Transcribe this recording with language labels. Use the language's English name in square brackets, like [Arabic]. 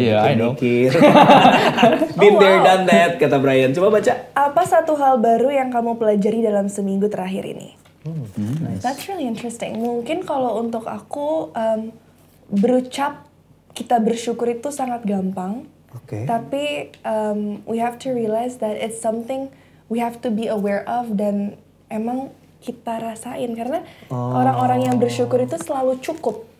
[Indonesian] mikir-mikir. [English] Been there, done that, [Indonesian] kata Brian. Coba baca. Apa satu hal baru yang kamu pelajari dalam seminggu terakhir ini? [English] That's really interesting. [Indonesian] Mungkin kalau untuk aku, berucap kita bersyukur itu sangat gampang. [English] Okay. [Indonesian] Tapi [English] we have to realize that it's something we have to be aware of [Indonesian] dan emang kita rasain. Karena orang-orang yang bersyukur itu selalu cukup.